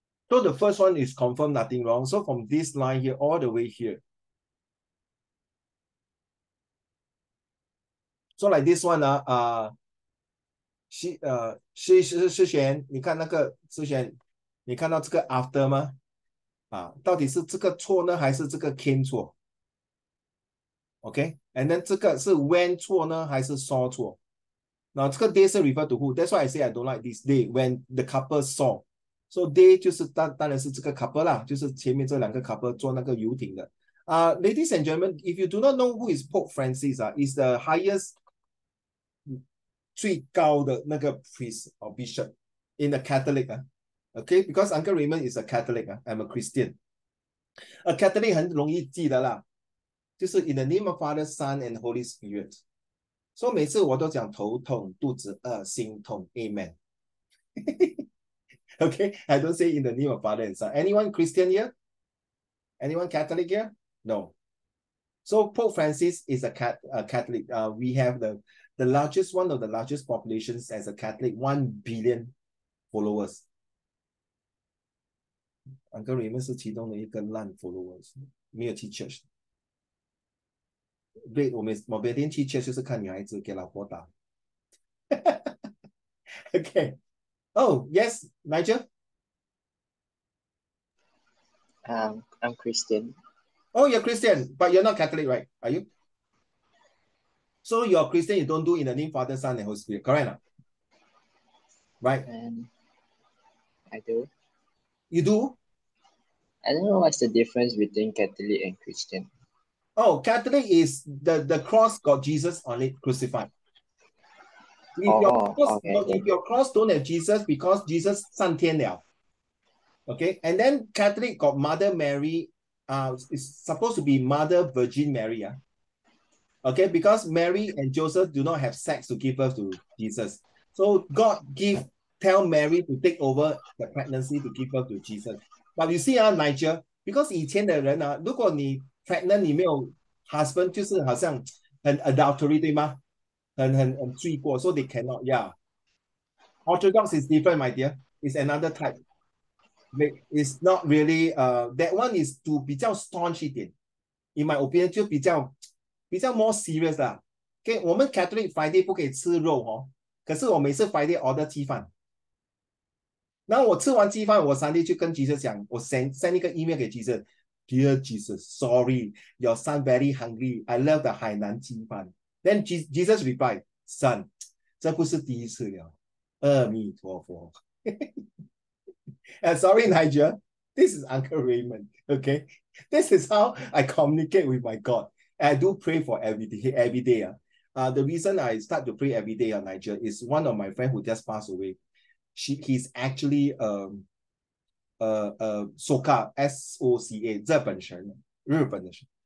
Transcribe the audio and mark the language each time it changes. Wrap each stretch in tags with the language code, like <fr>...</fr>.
<en>So the first one is confirmed nothing wrong. So from this line here all the way here. So like this one,</en> <zh>Shi Xuan, 你看那个Shi Xuan, 你看到这个 after 吗? 到底是这个错呢, 还是这个 came 错?</zh> <en>Okay? And then</en> <zh>这个是</zh> <en>when</en> <zh>错呢, 还是</zh> <en>saw 错? Now, 这个 day 是 refer to who? That's why I say I don't like this day, when the couple saw. So</en> <zh>day 就是当然是这个 couple 啦, 就是前面这两个 couple 做那个游艇的。</zh> <en>Ladies and gentlemen, if you do not know who is Pope Francis, is the highest</en> <zh>最高的那个</zh> <en>priest or bishop in the Catholic, okay? Because Uncle Raymond is a Catholic, I'm a Christian. A Catholic</en> <zh>很容易记得啦, 就是</zh> <en>in the name of Father, Son, and Holy Spirit.</en> <zh>So 每次我都讲头痛、肚子饿、心痛, amen.</zh> <en>Okay, I don't say in the name of Father and Son. Anyone Christian here? Anyone Catholic here? No. So Pope Francis is a Catholic. We have one of the largest populations as a Catholic, 1 billion followers.</en> <zh>Uncle Raymond is 其中的一个烂 followers, 没有去 church.</zh> <en>Great,</en> <zh>我每天去 church 就是看女孩子给老婆打.</zh> <en>Okay. Oh, yes, Nigel? I'm Christian. Oh, you're Christian, but you're not Catholic, right? Are you? So you're Christian, you don't do in the name Father, Son, and Holy Spirit, correct? Right? I do. You do? I don't know what's the difference between Catholic and Christian. Oh, Catholic is the cross got Jesus on it, crucified. If your cross don't have Jesus, because Jesus 上天了. Okay? And then Catholic got Mother Mary, it's supposed to be Mother Virgin Mary, yeah? Okay, because Mary and Joseph do not have sex to give birth to Jesus. So God tell Mary to take over the pregnancy to give birth to Jesus. But you see,</en> <zh>Nigel, because 以前的人, 如果你 pregnant, 你没有 husband, 就是好像很 adultery, 对吗? 很罪过,</zh> <en>so they cannot, yeah. Orthodox is different, my dear. It's another type. It's not really, that one is to</en> <zh>比较</zh> <en>staunch</en> <zh>一点.</zh> <en>In my opinion,</en> <zh>就比较... 比较</zh> <en>more serious 啦, okay?</en> <zh>我们 Catholic Friday 不可以吃肉, 哦, 可是我每次 Friday order 鸡饭, 那我吃完鸡饭, 我 Sunday 就跟 Jesus 讲, 我 send 一个 email 给 Jesus,</zh> <en>Dear Jesus, sorry, your son very hungry, I love the</en> <zh>海南鸡饭.</zh> <en>Then Jesus replied,</en> <zh>Son, 这不是第一次了, 阿弥陀佛.</zh> <en>sorry, Nigel, this is Uncle Raymond, okay? This is how I communicate with my God. I do pray for every day. The reason I start to pray every day, Nigel, is one of my friends who just passed away. He's actually Soka, S-O-C-A,</en> <zh>日本神.</zh>